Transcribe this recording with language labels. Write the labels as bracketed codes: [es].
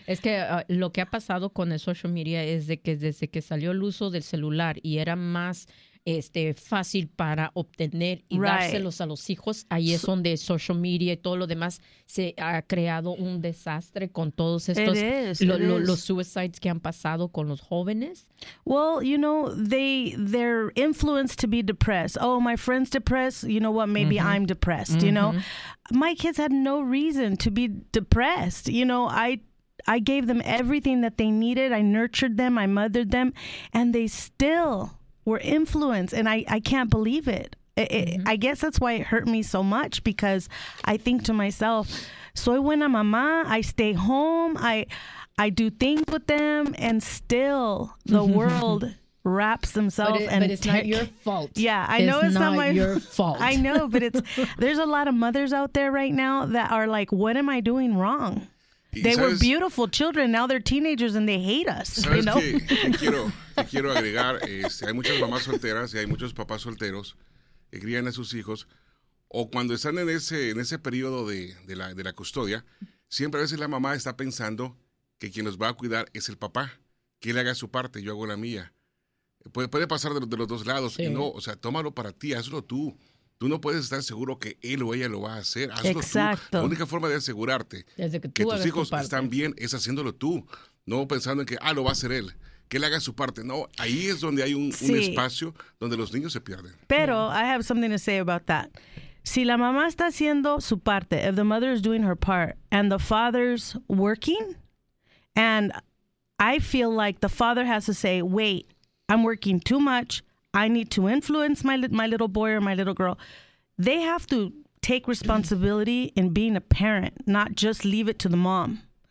[es] Es que lo que ha pasado con el social media es de que desde que salió el uso del celular y era más fácil para obtener y dárselos a los hijos, ahí es donde social media y todo lo demás se ha creado un desastre con todos estos los suicides que han pasado con los jóvenes. [en] Well, you know, they're influenced to be depressed. Oh, my friend's depressed. You know what? Maybe I'm depressed. Mm-hmm. You know, my kids had no reason to be depressed. You know, I gave them everything that they needed. I nurtured them. I mothered them, and they still were influenced, and I can't believe it. I guess that's why it hurt me so much, because I think to myself, [es] soy buena mamá, [en] I stay home, I do things with them, and still the world wraps themselves. But it's not your fault. Yeah, it's not your fault. I know, but there's a lot of mothers out there right now that are like, what am I doing wrong? They were beautiful children. Now they're teenagers and they hate us. [es] Te quiero agregar, hay muchas mamás solteras y hay muchos papás solteros que crían a sus hijos. O cuando están en ese periodo de la custodia, siempre a veces la mamá está pensando que quien los va a cuidar es el papá. Que él haga su parte, yo hago la mía. Puede pasar de los dos lados. Sí. Y no, o sea, tómalo para ti, hazlo tú. Tú no puedes estar seguro que él o ella lo va a hacer. Hazlo exacto. Tú. La única forma de asegurarte es de que tus hijos tu están bien es haciéndolo tú. No pensando en que, lo va a hacer él. Que él haga su parte. No, ahí es donde hay un espacio donde los niños se pierden. [en] Pero I have something to say about that. [es] Si la mamá está haciendo su parte, [en] if the mother is doing her part, and the father's working, and I feel like the father has to say, wait, I'm working too much. I need to influence my little boy or my little girl. They have to take responsibility in being a parent, not just leave it to the mom.